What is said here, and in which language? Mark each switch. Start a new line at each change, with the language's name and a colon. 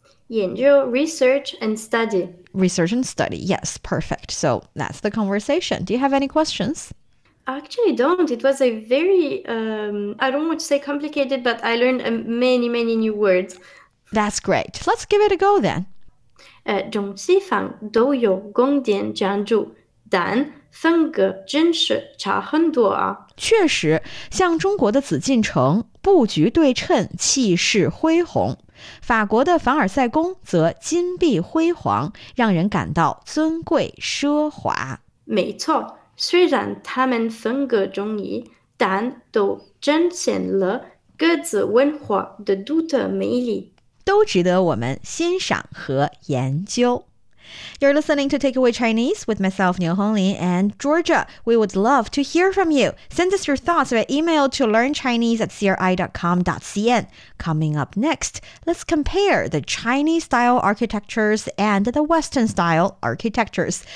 English: 研究, research and study. Research and study. Yes, perfect. So that's the conversation. Do you have any questions? Actually, don't. It was a very, I don't want to say complicated, but I learned many, many new words. That's great. Let's give it a go then.
Chinese: 总西方都有宫殿建筑，但风格真是差很多啊。确实，像中国的紫禁城，布局对称，气势恢宏。法国的凡尔赛宫则金碧辉煌，让人感到尊贵奢华。没错。虽然他们风格迥异，但都展现了各自文化的独特魅力，都值得我们欣赏和研究。
English: You're listening to Takeaway Chinese with myself, Niu Honglin, and Georgia. We would love to hear from you. Send us your thoughts via email to learnchinese@cri.com.cn. Coming up next, let's compare the Chinese-style architectures and the Western-style architectures.